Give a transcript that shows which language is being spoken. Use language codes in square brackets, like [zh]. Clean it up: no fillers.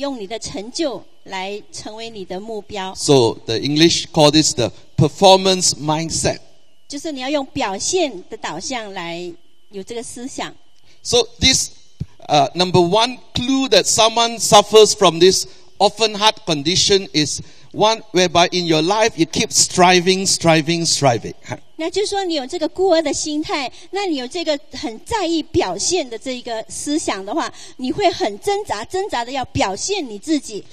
[zh] 今天早上我要讲到的就是你很就是说用你的成就来成为你的目标。 [en] So the English call this the performance mindset. [zh] 就是你要用表现的导向来 [en] So this number one clue that someone suffers from this orphan heart condition is one whereby in your life you keep striving, striving, striving. [zh] 那就是说你有这个孤儿的心态，那你有这个很在意表现的这一个思想的话，你会很挣扎，挣扎的要表现你自己。